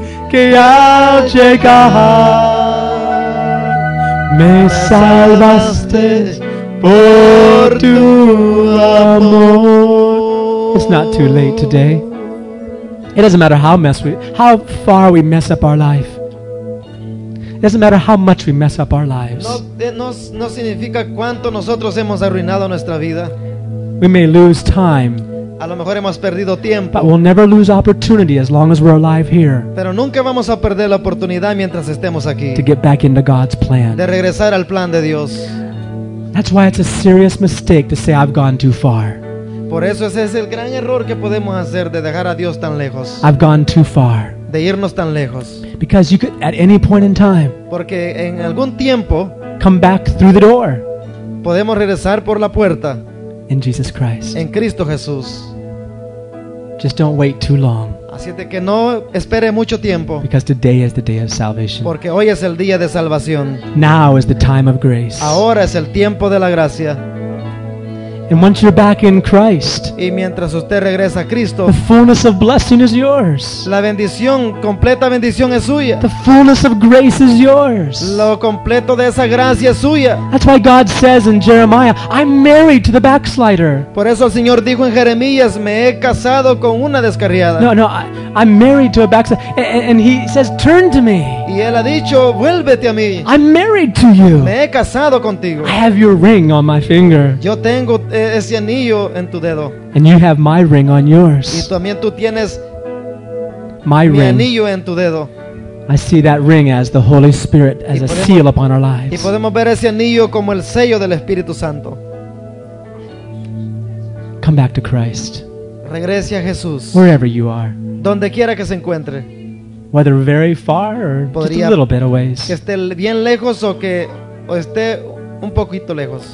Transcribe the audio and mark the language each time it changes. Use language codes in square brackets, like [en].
[es] Que al llegar me salvaste por tu amor. [en] It's not too late today. It doesn't matter how far we mess up our life. It doesn't matter how much we mess up our lives. [es] No significa cuánto nosotros hemos arruinado nuestra vida. [en] We may lose time. [es] A lo mejor hemos perdido tiempo. [en] But we'll never lose opportunity as long as we're alive here. [es] Pero nunca vamos a perder la oportunidad mientras estemos aquí. [en] To get back into God's plan. [es] De regresar al plan de Dios. [en] That's why it's a serious mistake to say I've gone too far. [es] Por eso ese es el gran error que podemos hacer de dejar a Dios tan lejos. [en] I've gone too far. [es] De irnos tan lejos. [en] Because you could at any point in time. [es] Porque en algún tiempo. [en] Come back through the door. [es] Podemos regresar por la puerta. [en] In Jesus Christ. [es] En Cristo Jesús. [en] Just don't wait too long. [es] Así de que no espere mucho tiempo. [en] Because today is the day of salvation. [es] Porque hoy es el día de salvación. [en] Now is the time of grace. [es] Ahora es el tiempo de la gracia. [en] And once you're back in Christ. [es] Y mientras usted regresa a Cristo. [en] The fullness of blessing is yours. [es] La bendición, completa bendición es suya. [en] The fullness of grace is yours. [es] Lo completo de esa gracia es suya. [en] That's why God says in Jeremiah, I'm married to the backslider. [es] Por eso el Señor dijo en Jeremías, me he casado con una descarriada. [en] No, I'm married to a backslider. And he says, turn to me. [es] Y él ha dicho, vuélvete a mí. [en] I'm married to you. [es] Me he casado contigo. [en] I have your ring on my finger. [es] Yo tengo ese anillo en tu dedo. [en] And you have my ring on yours. [es] Y también tú tienes [en] my [es] mi [en] ring. [es] Anillo en tu dedo. [en] I see that ring as the Holy Spirit, as [es] podemos, [en] a seal upon our lives. [es] Y podemos ver ese anillo como el sello del Espíritu Santo. [en] Come back to Christ. [es] Regrese a Jesús. [en] Wherever you are. [es] Donde quiera que se encuentre. [en] Whether very far or [es] podría [en] just a little bit away. [es] Que esté bien lejos o esté un poquito lejos.